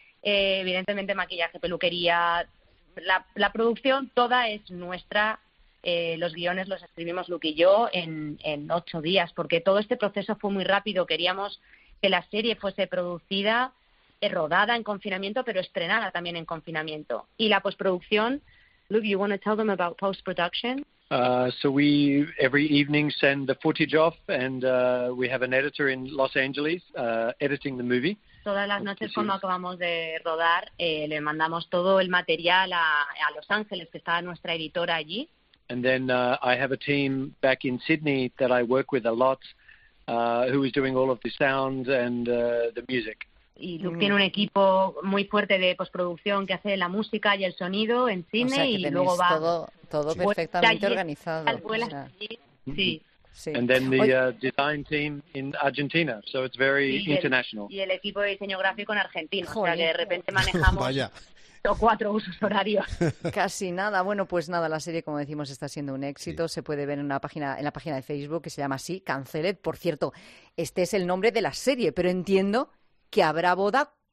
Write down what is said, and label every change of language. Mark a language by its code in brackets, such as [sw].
[es] Evidentemente maquillaje, peluquería, la producción toda es nuestra, los guiones los escribimos Luke y yo en 8 días, porque todo este proceso fue muy rápido. Queríamos que la serie fuese producida, rodada en confinamiento, pero estrenada también en confinamiento. Y la postproducción, [en] Luke, you want to tell them about post-production? So we every evening send the footage off and we have an editor in Los Angeles editing the movie. [es] Todas las noches cuando acabamos de rodar le mandamos todo el material a Los Ángeles, que está nuestra editora allí. [en] And then I have a team back in Sydney that I work with a lot who is doing all of the sound and the music. [es] Y Luke tiene un equipo muy fuerte de postproducción que hace la música y el sonido en cine. O sea, que y luego va todo sí. Perfectamente organizado. Al vuelo, sí. Sí. [en] And then the design team in Argentina, so it's very international. [es] Y el equipo de diseño gráfico en Argentina, o sea que de repente manejamos 4 usos horarios. Casi nada. Bueno, pues nada, la serie, como decimos, está siendo un éxito. Sí. Se puede ver en la página de Facebook, que se llama así, Canceled. Por cierto, este es el nombre de la serie, pero entiendo que habrá boda.